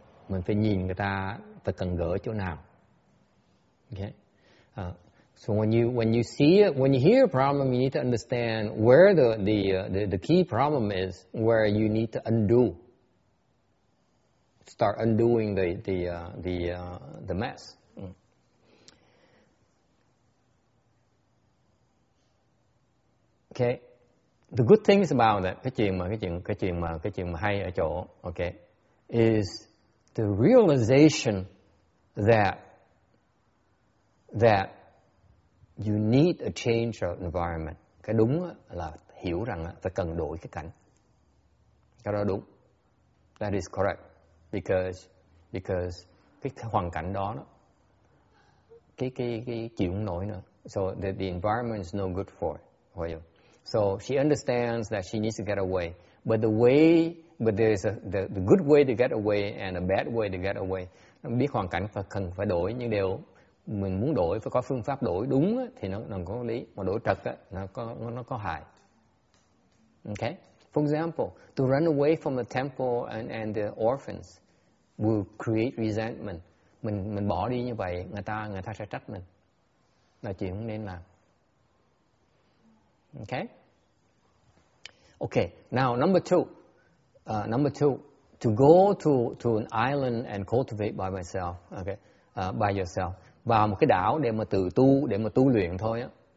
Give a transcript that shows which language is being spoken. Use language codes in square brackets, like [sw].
[vi] Mình phải nhìn người ta phải cần gỡ chỗ nào. [en] Okay. So when you hear a problem, you need to understand where the key problem is, where you need to undo. Start undoing the mess. Okay. The good things about that, [vi] cái chuyện mà hay ở chỗ, [en] okay, is the realization that you need a change of environment. [vi] Cái đúng là hiểu rằng phải cần đổi cái cảnh. Cái đó đúng. [en] That is correct. [vi] Because cái hoàn cảnh đó, cái chịu không nổi nữa. [en] So the environment is no good for you. So she understands that she needs to get away. But the way But there is the good way to get away and a bad way to get away. [vi] Biết hoàn cảnh và cần phải đổi, nhưng điều mình muốn đổi phải có phương pháp đổi đúng thì nó có lý, mà đổi trật nó có hại. [en] Okay? For example, to run away from the temple and the orphans will create resentment. [vi] Mình bỏ đi như vậy, người ta sẽ trách mình. Là chuyện không nên làm. [en] Okay? Okay, now number two, to go to an island and cultivate by myself, okay, by yourself, [vi] vào một cái đảo để mà tự tu, để mà tu luyện thôi á.